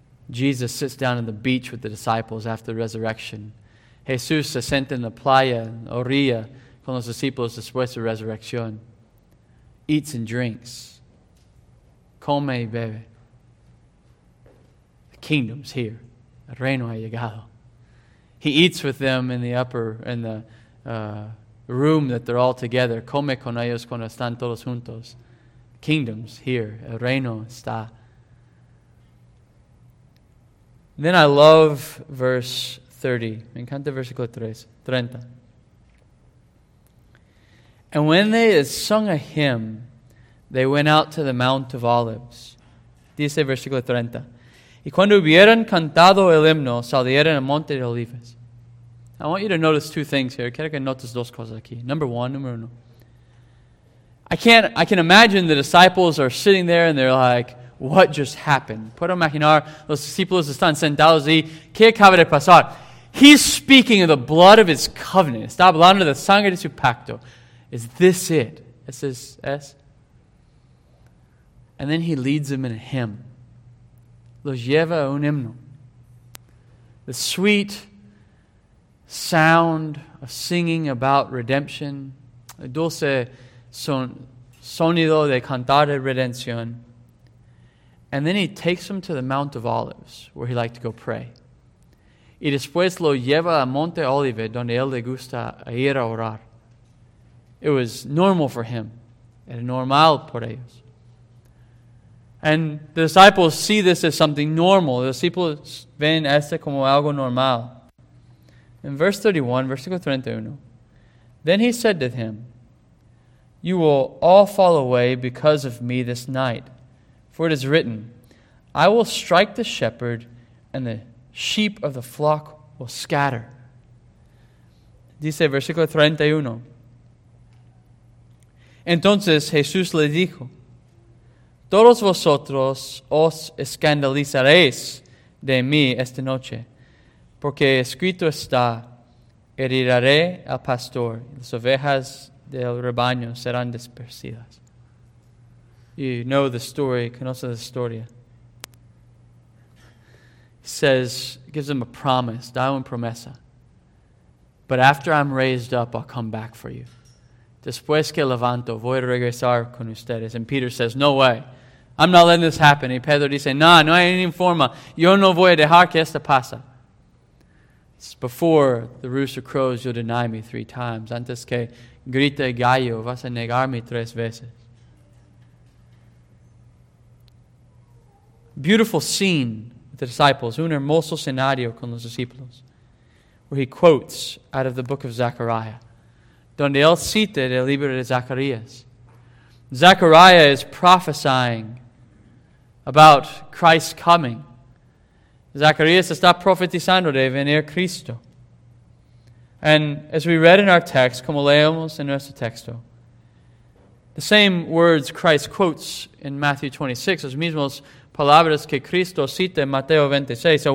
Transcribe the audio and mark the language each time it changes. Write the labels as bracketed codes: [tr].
[en] Jesus sits down on the beach with the disciples after the resurrection. [es] Jesús se sienta en la playa, en la orilla, con los discípulos después de la resurrección. [en] Eats and drinks. [es] Come y bebe. [en] The kingdom's here. [es] El reino ha llegado. [en] He eats with them in the room that they're all together. [es] Come con ellos cuando están todos juntos. [en] Kingdom's here. [es] El reino está. [en] Then I love verse 30. [es] Me encanta el versículo 30. [en] And when they had sung a hymn, they went out to the Mount of Olives. [es] Dice el versículo 30. Y cuando hubieran cantado el himno, salieron al Monte de Olivas. [en] I want you to notice two things here. [es] Quiero que notes dos cosas aquí. [en] Number one, [es] número uno. [en] I can imagine the disciples are sitting there and they're like, what just happened? [es] Puedo imaginar los discípulos están sentados y ¿qué acaba de pasar? [en] He's speaking of the blood of his covenant. [es] Está hablando de la sangre de su pacto. [en] Is this it? [es] Es. [en] And then he leads them in a hymn. [es] Los lleva a un himno. [en] The sweet sound of singing about redemption. [es] El dulce sonido de cantar de redención. [en] And then he takes them to the Mount of Olives, where he liked to go pray. [es] Y después lo lleva a Monte Olive, donde él le gusta ir a orar. [en] It was normal for him. [es] Era normal por ellos. [en] And the disciples see this as something normal. The disciples [es] ven este como algo normal. [en] In verse 31, [es] versículo 31, [en] then he said to him, you will all fall away because of me this night. For it is written, I will strike the shepherd, and the sheep of the flock will scatter. [es] Dice versículo 31. Entonces Jesús le dijo, todos vosotros os escandalizaréis de mí esta noche, porque escrito está, heriré al pastor, y las ovejas del rebaño serán dispersadas. [en] You know the story, [es] conoce la historia. [en] He says, gives him a promise, [es] da una promesa. [en] But after I'm raised up, I'll come back for you. [es] Después que levanto, voy a regresar con ustedes. [en] And Peter says, no way. I'm not letting this happen. [es] Y Pedro dice, no hay ninguna forma. Yo no voy a dejar que esto pase. [en] It's before the rooster crows, you'll deny me three times. [es] Antes que grite gallo, vas a negarme tres veces. [en] Beautiful scene with the disciples. [es] Un hermoso escenario con los discípulos. [en] Where he quotes out of the book of Zechariah. [es] Donde él cita el libro de Zacarías. [en] Zechariah is prophesying about Christ's coming. [es] Zacarías está profetizando de venir Cristo. [en] And as we read in our text, [es] como leemos en nuestro texto, [en] the same words Christ quotes in Matthew 26, [es] los mismos palabras que Cristo cita en Mateo 26.